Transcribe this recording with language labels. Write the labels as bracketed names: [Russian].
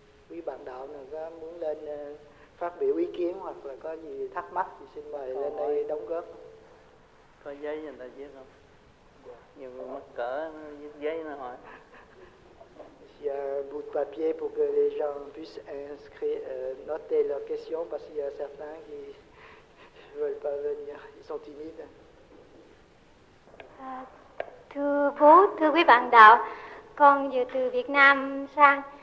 [Vietnamese] Quý bạn đạo nào có muốn lên phát biểu ý kiến hoặc là có gì thắc mắc thì xin mời lên đây đóng góp. Có giấy người ta viết không? Nhiều người mắc cỡ viết giấy nó hỏi. [French] S'il y a un bout de papier pour que les gens puissent inscrire, noter leurs questions parce qu'il y a certains qui ne veulent pas venir, ils sont timides. [Vietnamese] Thưa bố, thưa quý bạn đạo, con vừa từ Việt Nam sang.